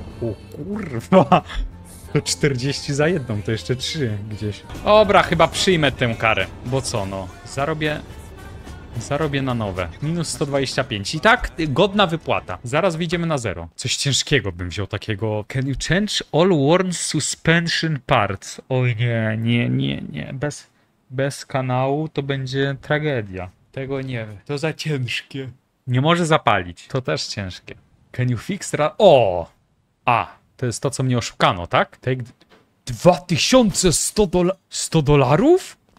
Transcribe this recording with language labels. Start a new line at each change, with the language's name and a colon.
Polish: O kurwa! To 40 za jedną, to jeszcze 3 gdzieś. Dobra, chyba przyjmę tę karę. Bo co no, zarobię na nowe. Minus 125. I tak godna wypłata. Zaraz wyjdziemy na zero. Coś ciężkiego bym wziął takiego.
English: Can you change all worn suspension parts?
Polish: Oj nie, nie, nie, nie. Bez kanału to będzie tragedia. Tego nie. To za ciężkie. Nie może zapalić. To też ciężkie.
English: Can you fix
Polish: O! A! To jest to, co mnie oszukano, tak? Take 2100 dolarów?